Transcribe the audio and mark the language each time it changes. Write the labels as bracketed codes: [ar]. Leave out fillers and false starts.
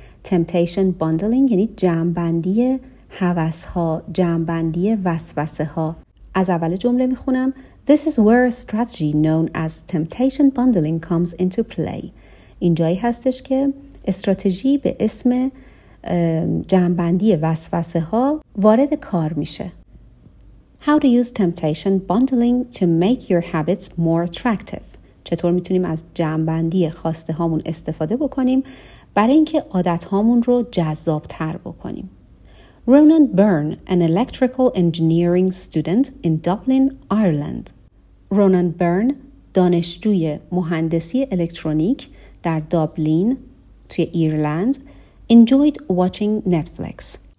[fa] تمپتیشن باندلینگ یعنی جمع‌بندی هوس‌ها، جمع‌بندی وسوسه‌ها. از اول جمله میخونم: [en] This is where a strategy known as temptation bundling comes into play. [fa] اینجایی هستش که استراتژی به اسم جمع‌بندی وسوسه‌ها وارد کار میشه. [en] How to use temptation bundling to make your habits more attractive. [fa] چطور میتونیم از جمع‌بندی خواسته هامون استفاده بکنیم برای اینکه عادت هامون رو جذاب تر بکنیم. [en] Ronan Byrne, an electrical engineering student in Dublin, Ireland. [fa] Ronan Byrne, دانشجوی مهندسی الکترونیک در دابلین توی ایرلند, [en] enjoyed watching Netflix.